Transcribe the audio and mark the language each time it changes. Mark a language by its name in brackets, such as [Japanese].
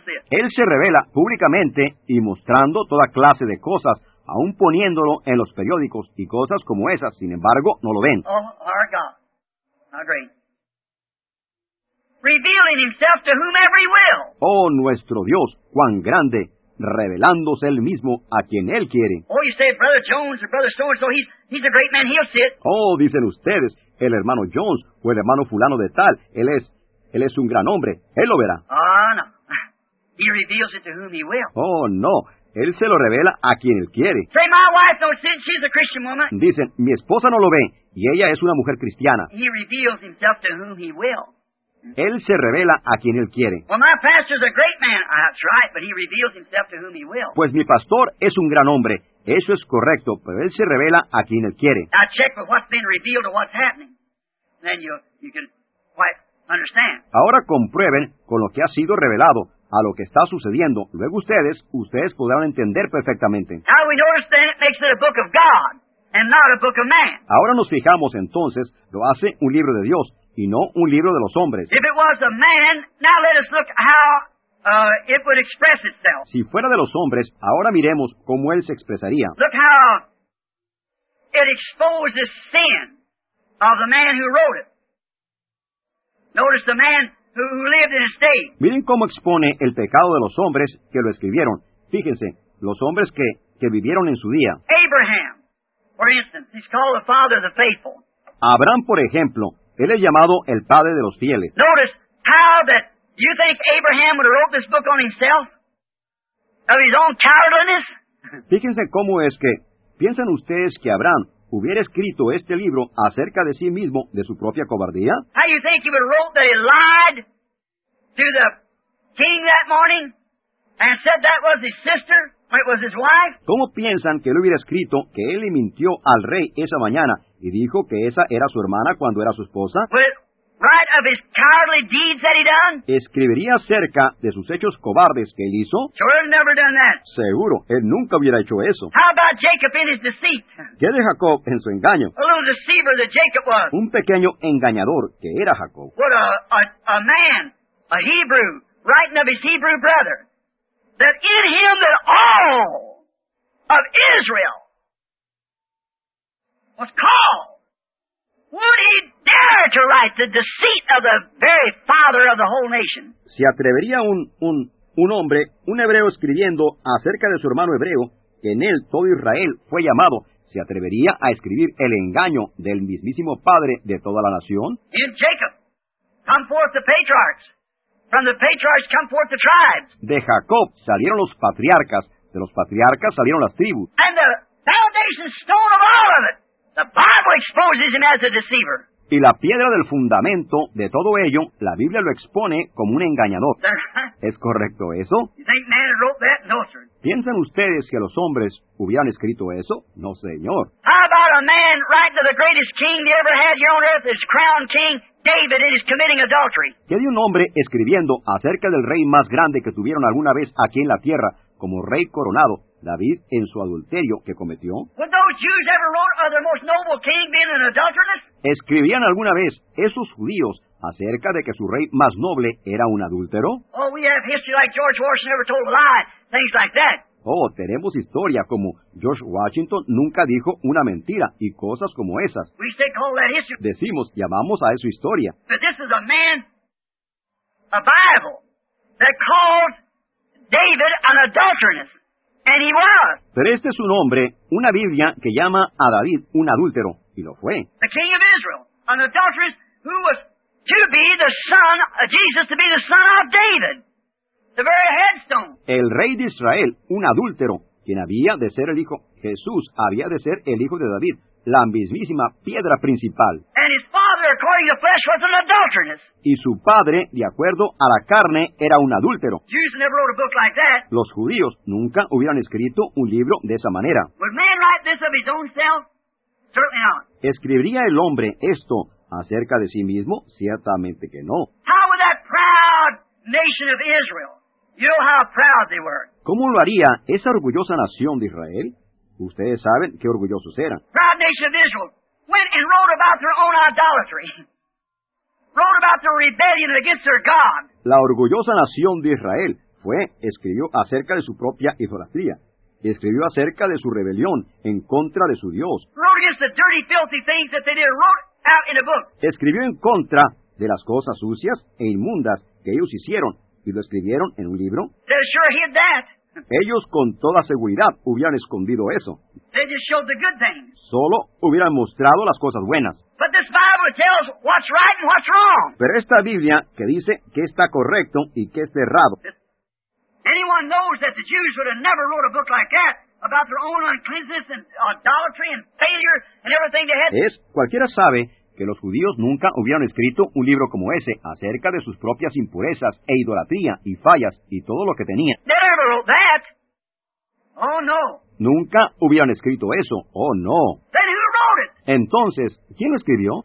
[Spanish] Él se revela públicamente y mostrando toda clase de cosas, aún poniéndolo en los periódicos y cosas como esas, sin embargo, no lo ven. [English] Oh, our God. Our great. Revealing himself to whomever he will. [Spanish] Oh, nuestro Dios, cuán grande. Revelándose él mismo a quien él quiere. [English] Oh, you say Brother Jones or Brother so-and-so, he's a great man, he'll sit. [Spanish] Oh, dicen ustedes, el hermano Jones o el hermano fulano de tal, él es un gran hombre, él lo verá. [English] Ah, no. He reveals it to whom he will. [Spanish] Oh, no. Él se lo revela a quien él quiere. [English] Say, my wife don't sit, she's a Christian woman. [Spanish] Dicen, mi esposa no lo ve, y ella es una mujer cristiana. [English] He reveals himself to whom he will. [Spanish] Él se revela a quien él quiere. [English] Well, my pastor's a great man. That's right, but he reveals himself to whom he will. [Spanish] Pues mi pastor es un gran hombre. Eso es correcto, pero él se revela a quien él quiere. [English] Now check with what's been revealed or what's happening. Then you can quite understand. [Spanish] Ahora comprueben con lo que ha sido revelado a lo que está sucediendo. Luego ustedes podrán entender perfectamente. [English] How we notice that it makes it a book of God and not a book of man. [Spanish] Ahora nos fijamos entonces, lo hace un libro de Dios. Y no un libro de los hombres. [English] If it was a man, now let us look how it would express itself. [Spanish] Si fuera de los hombres, ahora miremos cómo él se expresaría. [English] Look how it exposes sin of the man who wrote it. Notice the man who lived in a state. [Spanish] Miren cómo expone el pecado de los hombres que lo escribieron. Fíjense, los hombres que vivieron en su día. [English] Abraham, for instance, he's called the father of the faithful. [Spanish] Abraham, por ejemplo. Él es llamado el padre de los fieles. [English] Notice how that you think Abraham would have wrote this book on himself? Of his own cowardliness? [Spanish] Fíjense cómo es que piensan ustedes que Abraham hubiera escrito este libro acerca de sí mismo, de su propia cobardía? [English] How you think he would have wrote that he lied to the king that morning and said that was his sister when it was his wife? [Spanish] ¿Cómo piensan que él hubiera escrito que él le mintió al rey esa mañana? Y dijo que esa era su hermana cuando era su esposa. [English] Right of his cowardly deeds that he done? [Spanish] ¿Escribiría acerca de sus hechos cobardes que él hizo? [English] Sure, he'd never done that. [Spanish] Seguro, él nunca hubiera hecho eso. [English] How about Jacob in his deceit? [Spanish] ¿Qué de Jacob en su engaño? [English] A little deceiver that Jacob was. [Spanish] Un pequeño engañador que era Jacob. [English] What a man, a Hebrew, writing of his Hebrew brother, that in him that all of Israel was called. Would he dare to write the deceit of the very father of the whole nation? [Spanish] ¿Se atrevería un hombre, un hebreo escribiendo acerca de su hermano hebreo, que en él todo Israel fue llamado, se atrevería a escribir el engaño del mismísimo padre de toda la nación? [English] In Jacob, come forth the patriarchs. From the patriarchs come forth the tribes. [Spanish] De Jacob salieron los patriarcas. De los patriarcas salieron las tribus. [English] And the foundation stone of all of it. The Bible exposes him as a deceiver. [Spanish] Y la piedra del fundamento de todo ello, la Biblia lo expone como un engañador. ¿Es correcto eso? [English] You think man wrote that? No, sir. [Spanish] ¿Piensan ustedes que los hombres hubieran escrito eso? No, señor. [English] How about a man write to the greatest king he ever had here on earth, his crown king, David, and is committing adultery? [Spanish] ¿Qué de un hombre escribiendo acerca del rey más grande que tuvieron alguna vez aquí en la tierra, como rey coronado, David en su adulterio que cometió? [English] Would those Jews ever wrote of their most noble king being an adulteress? [Spanish] ¿Escribían alguna vez esos judíos acerca de que su rey más noble era un adúltero? [English] Oh, we have history like George Washington never told a lie, things like that. [Spanish] Oh, tenemos historia como George Washington nunca dijo una mentira y cosas como esas. [English] We say call that history. [Spanish] Decimos, llamamos a eso historia. [English] But this is a man, a Bible, that called David an adulteress. And he was. [Spanish] Pero este es un hombre, una Biblia que llama a David un adúltero, y lo fue. [English] The king of Israel, an adulteress who was to be the son of Jesus, to be the son of David. The very headstone. [Spanish] El rey de Israel, un adúltero, quien había de ser el hijo, Jesús había de ser el hijo de David, la mismísima piedra principal. [English] And his father, according to flesh, was an adulteress. [Spanish] Y su padre, de acuerdo a la carne, era un adúltero. [English] Jews never wrote a book like that. [Spanish] Los judíos nunca hubieran escrito un libro de esa manera. [English] Would man write this of his own self? Certainly not. [Spanish] ¿Escribiría el hombre esto acerca de sí mismo? Ciertamente que no. [English] How would that proud nation of Israel? You know how proud they were. [Spanish] ¿Cómo lo haría esa orgullosa nación de Israel? Ustedes saben qué orgullosos eran. [English] Proud nation of Israel went and wrote about their own idolatry. Wrote about their rebellion against their God. [Spanish] La orgullosa nación de Israel fue, escribió acerca de su propia idolatría. Escribió acerca de su rebelión en contra de su Dios. [English] Wrote against the dirty, filthy things that they did. Wrote out in a book. [Spanish] Escribió en contra de las cosas sucias e inmundas que ellos hicieron y lo escribieron en un libro. [English] They sure hid that. [Spanish] Ellos con toda seguridad hubieran escondido eso. [English] They just showed the good things. [Spanish] Solo hubieran mostrado las cosas buenas. [English] But this Bible tells what's right and what's wrong. [Spanish] Pero esta Biblia que dice que está correcto y que está errado. [English] Anyone knows that the Jews would have never wrote a book like that about their own uncleanness and idolatry and failure and everything they had. [Spanish] Es cualquiera sabe que los judíos nunca hubieran escrito un libro como ese acerca de sus propias impurezas e idolatría y fallas y todo lo que tenían. [English] They never wrote that. Oh no. [Spanish] Nunca hubieran escrito eso. Oh no. [English] Then who wrote it? [Spanish] Entonces, ¿quién lo escribió?